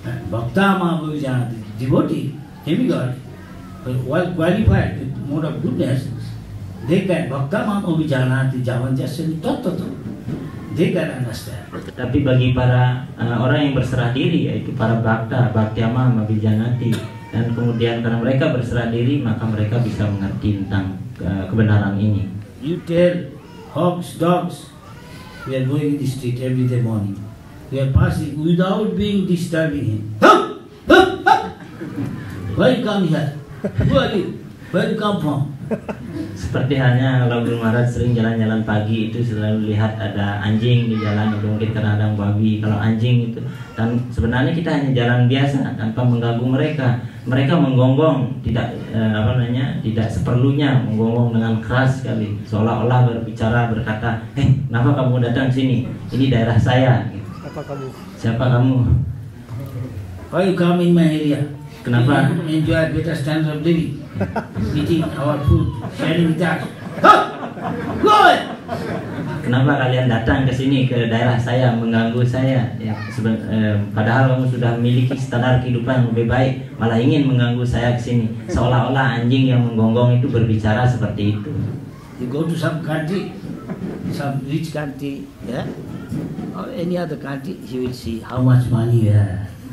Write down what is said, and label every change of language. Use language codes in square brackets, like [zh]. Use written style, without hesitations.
[en] bhakta mahabhujana devotee, demigod, well qualified with mode of goodness, they can bhakta mahabhujana javanjasyan tattvato, they can understand. [id] Tetapi bagi para orang yang berserah diri, yaitu para bhakta, bhaktya mahabhujana, dan kemudian karena mereka berserah diri, maka mereka bisa mengerti tentang kebenaran ini. [en] You tell hogs, dogs, we are going in the street every day morning. We are passing without being disturbing him. Huh? Huh? Why come here? Who are you? Where you come from? [id] Seperti halnya kalau Guru Maharaj sering jalan-jalan pagi itu selalu lihat ada anjing di jalan, atau mungkin terhadang babi kalau anjing itu. Dan sebenarnya kita hanya jalan biasa tanpa mengganggu mereka. Mereka menggonggong tidak tidak seperlunya, menggonggong dengan keras sekali, seolah-olah berbicara berkata, "Hey, kenapa kamu datang sini? Ini daerah saya." Siapa kamu? Siapa kamu? [en] Why you come in my area? [id] Kenapa? [en] You enjoy better standard of living. Eating our food, sharing with us. Go away! [id] Kenapa kalian datang ke sini, ke daerah saya, mengganggu saya? Ya, padahal kamu sudah memiliki standar kehidupan yang lebih baik, malah ingin mengganggu saya ke sini. Seolah-olah anjing yang menggonggong itu berbicara seperti itu. [en] You go to some country, some rich country, yeah? Or any other country, you will see how much money you have.